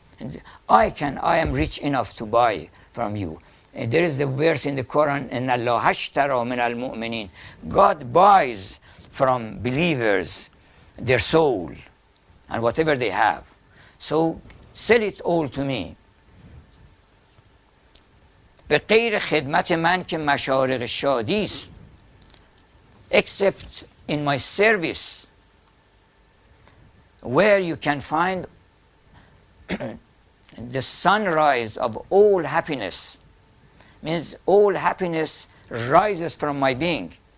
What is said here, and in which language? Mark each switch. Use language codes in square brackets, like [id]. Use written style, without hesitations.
[en] And I am rich enough to buy from you. And there is the verse in the Quran, [ar] إِنَّ اللَّهَ اشْتَرَى مِنَ الْمُؤْمِنِينَ. [en] God buys from believers their soul and whatever they have. So sell it all to me. [fa] به غیر خدمت من که مشارق شادی است. [en] Except in my service, where you can find the sunrise of all happiness. Means all happiness rises from my being.